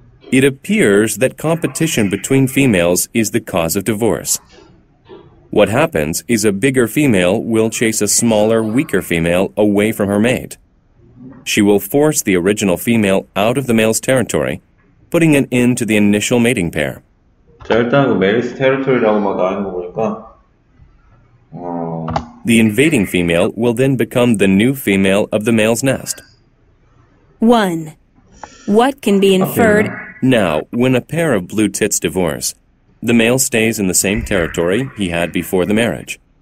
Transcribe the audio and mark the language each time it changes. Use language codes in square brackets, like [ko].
[en] It appears that competition between females is the cause of divorce. What happens is a bigger female will chase a smaller, weaker female away from her mate. She will force the original female out of the male's territory, putting an end to the initial mating pair. [ko] 자, 일단 그 [en] male's territory [ko] 라고 막 나오는 거 보니까 [en] The invading female will then become the new female of the male's nest. 1. What can be inferred? Now, when a pair of blue tits divorce, the male stays in the same territory he had before the marriage.